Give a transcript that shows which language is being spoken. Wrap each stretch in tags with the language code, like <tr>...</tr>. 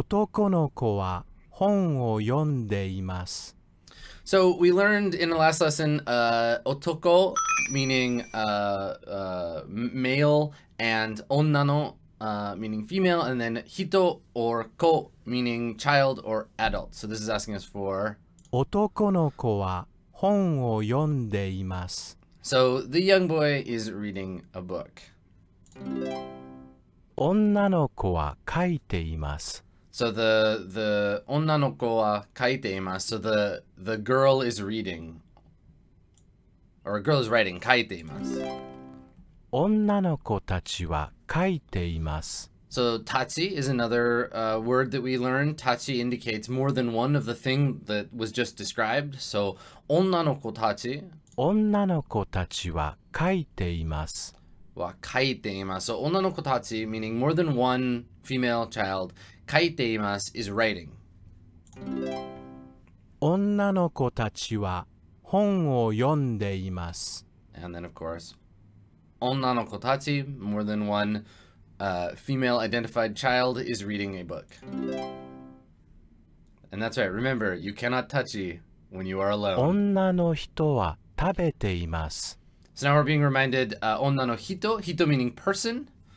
<ja>男の子は本を読んでいます。</ja> <en>So we learned in the last lesson, otoko meaning male, and onnano meaning female, and then hito or ko meaning child or adult. So this is asking us for.</en> <ja>男の子は本を読んでいます。</ja> <en>So the young boy is reading a book.</en> <ja>女の子は書いています。</ja> <en>So the</en> <ja>onnanoko wa kaiteimasu.</ja> <en>So the girl is reading, or a girl is writing, kaiteimasu.</en> <ja>女の子たちは書いています。</ja> <en>So tachi is another word that we learn. Tachi indicates more than one of the thing that was just described. So onnanoko</en> <ja>女の子たちは書いています。 wa kaiteimasu.</ja> <en>So onnanoko tachi meaning more than one female child. Kaiteimasu is writing.</en> <ja>女の子たちは本を読んでいます。</ja> <en>And then, of course, onnanokotachi, more than one female identified child, is reading a book. And that's right, remember, you cannot tachi when you are alone.</en> <ja>女の人は食べています。</ja> <en>So now we're being reminded, onnanohito, hito meaning person.</en>